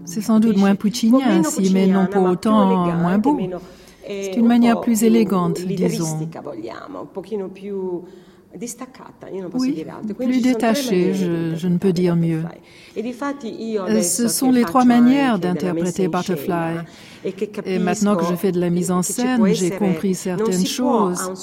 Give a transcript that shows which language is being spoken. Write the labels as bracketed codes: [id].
[fr] C'est sans doute moins [it] pucciniana, sì, [fr] mais non pour autant moins beau. C'est une manière plus élégante, disons. [it] Lyristica, vogliamo, un pochino più distaccata, io non posso dire altro. Quindi [fr] plus détachée, je ne peux dire mieux. Et [it] difatti, [fr] ce sont les 3 manières d'interpréter Butterfly. Et maintenant que je fais de la mise en scène, j'ai compris certaines choses.